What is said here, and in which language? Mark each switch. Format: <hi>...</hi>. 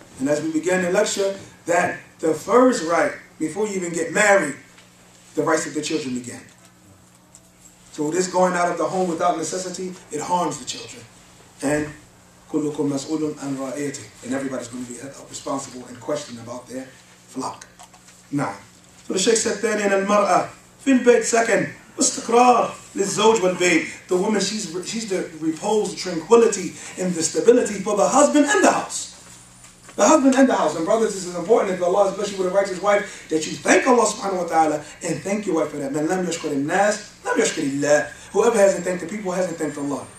<en>And as we began the lecture, that the first right, before you even get married, the rights of the children began. So this going out of the home without necessity, it harms the children. And</en> <ar>kullukum mas'ulun an ra'ayati.</ar> <en>And everybody's going to be responsible and questioned about their flock. Now, so the Sheikh said,</en> <ar>ثانيا المرأة في البيت</ar> <en>second,</en> <ar>استقرار للزوج والبيت.</ar> <en>The woman, she's the repose, the tranquility, and the stability for the husband and the house. The husband and the house. And brothers, this is important. If Allah has blessed you with a righteous wife, that you thank Allah subhanahu wa ta'ala and thank your wife for that.</en> <ar>Man lam yashkur an-nas, lam yashkur Allah.</ar> <en>Whoever hasn't thanked the people hasn't thanked Allah.</en>